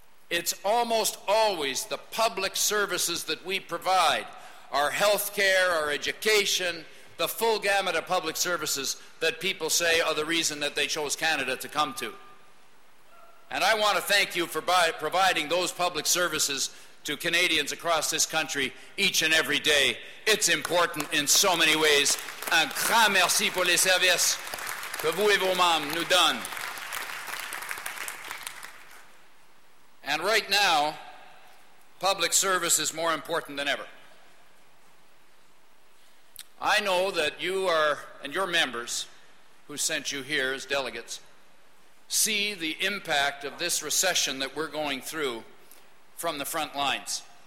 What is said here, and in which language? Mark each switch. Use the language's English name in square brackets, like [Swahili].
[English] It's almost always the public services that we provide, our health care, our education, the full gamut of public services that people say are the reason that they chose Canada to come to. And I want to thank you for providing those public services to Canadians across this country each and every day. It's important in so many ways. [French] Un grand merci pour les services que vous et vos mames nous donnent. [English] And right now, public service is more important than ever. I know that you are, and your members, who sent you here as delegates, see the impact of this recession that we're going through from the front lines.